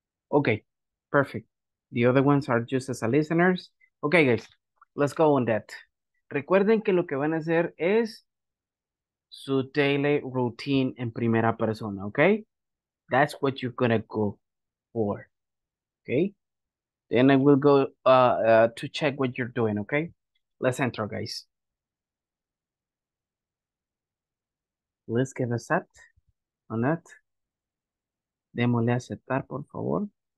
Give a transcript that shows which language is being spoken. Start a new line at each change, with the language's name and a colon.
English: Okay, perfect. The other ones are just as a listeners. Okay, guys, let's go on that.
Spanish: Recuerden que lo que van a hacer es su daily routine en primera persona, okay?
English: That's what you're gonna go for, okay? Then I will go to check what you're doing, okay? Let's enter, guys. Let's give a set on that.
Spanish: Démosle aceptar, por favor.